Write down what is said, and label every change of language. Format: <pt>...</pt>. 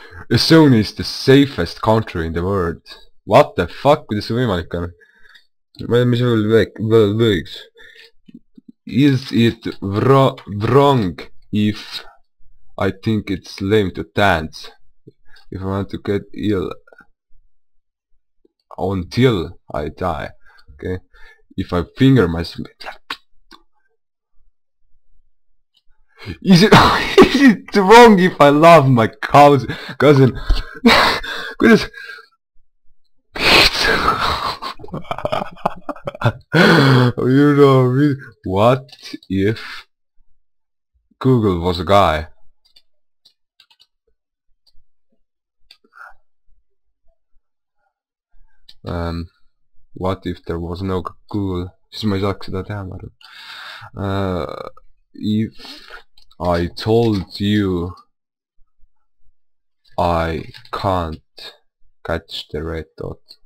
<en>Estonia is the safest country in the world. What the fuck,</en> <et>kuidas see võimalik on? Mis võiks?</et> <en>Is it wrong if I think it's lame to dance? If I want to get ill until I die, okay? If I finger myself, Is it wrong if I love my cousin?</en> <et>Kuidas?</et> <en>You know me. What if Google was a guy? What if there was no Google?</en> <et>Siis ma ei saaks seda teha, ma arvan.</et> <en>If I told you I can't catch the red dot.</en>